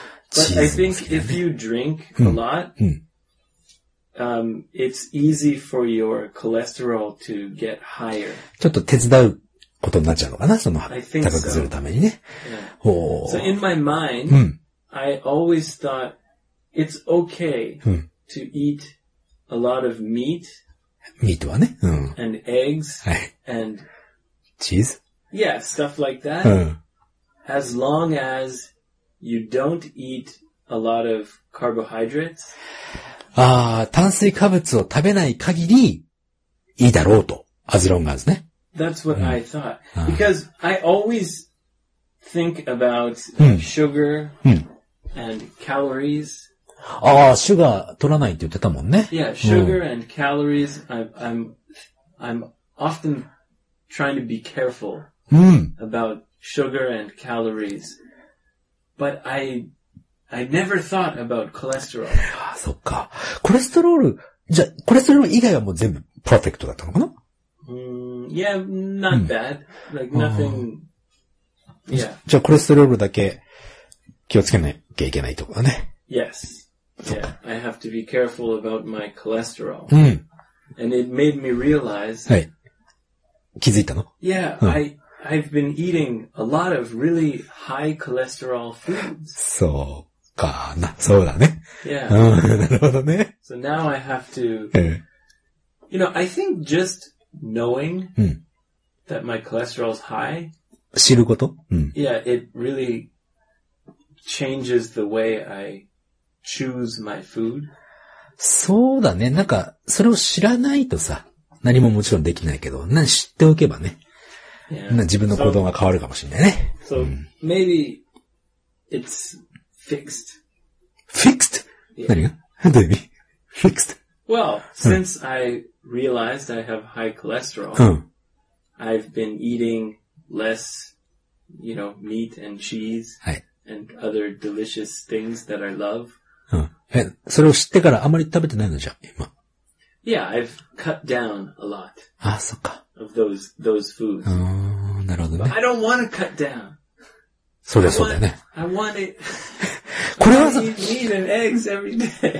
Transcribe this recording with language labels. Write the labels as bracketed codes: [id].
[en] But I think if you drink a lot, it's easy for your cholesterol to get higher. [ja] ちょっと手伝うことになっちゃうのかな、その高くするためにね。 [en] Yeah. Oh. So in my mind, I always thought it's okay to eat a lot of meat. Meat [ja] はね。 [en] And eggs. And cheese. Yeah, stuff like that. As long as you don't eat a lot of carbohydrates. [ja] ああ、炭水化物を食べない限りいいだろうと。 [en] As long as [ja] ね。 [en] That's what I thought. Because I always think about sugar and calories. [ja] ああ、シュガー取らないって言ってたもんね。 [en] Yeah, sugar and calories. I'm often trying to be careful about sugar and calories. But I never thought about cholesterol. [ja] ああ、そっか。コレステロール、じゃ、コレステロール以外はもう全部パーフェクトだったのかな？ [en] Yeah, not bad. Like nothing. [ja] じゃあコレステロールだけ気をつけなきゃいけないとかね。 [en] Yes. Yeah, I have to be careful about my cholesterol. And it made me realize. [ja] はい。気づいたの？ [en] Yeah, I've been eating a lot of really high cholesterol foods. [ja] そうかな、そうだね。 [en] Yeah. [ja] なるほどね。 [en] So now I have to, you know, I think just knowing that my cholesterol is high. [ja] 知ること [en] Yeah, it really changes the way I choose my food. [ja] そうだね。なんか、それを知らないとさ、何ももちろんできないけど、何知っておけばね。 [en] Yeah. [ja] 自分の行動が変わるかもしれないね。 [en] So, maybe it's fixed. [ja] Fixed? 何が？どういう意味？Fixed? [en] Well, since I realized I have high cholesterol, I've been eating less, you know, meat and cheese and other delicious things that I love. [ja] それを知ってからあまり食べてないのじゃ、今。 [en] Yeah, I've cut down a lot. [ja] あ、そっか。 [en] Of those foods. [ja] なるほどね。 [en] But I don't want to cut down. [ja] そうだそうだよね。 [en] I want it. [ja] これはさ、 [en] meat and eggs every day.